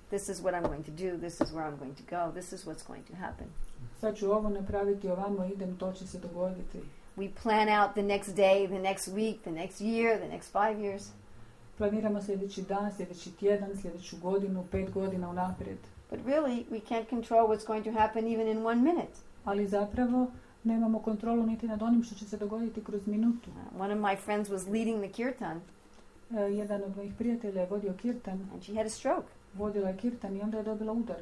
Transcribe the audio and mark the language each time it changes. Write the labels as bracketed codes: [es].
[en] This is what I'm going to do, this is where I'm going to go, this is what's going to happen. [hr] Sad ću ovo napraviti, ovamo idem, to će se dogoditi. [en] We plan out the next day, the next week, the next year, the next 5 years. [hr] Planiramo sljedeći dan, sljedeći tjedan, sljedeću godinu, 5 godina unaprijed. [en] But really, we can't control what's going to happen even in 1 minute. [hr] Ali zapravo nemamo kontrolu niti nad onim što će se dogoditi kroz minutu. [en] One of my friends was leading the kirtan. [hr] Jedan od mojih prijatelja je vodio kirtan. [en] And she had a stroke. [hr] Vodila je kirtan i onda je dobila udar.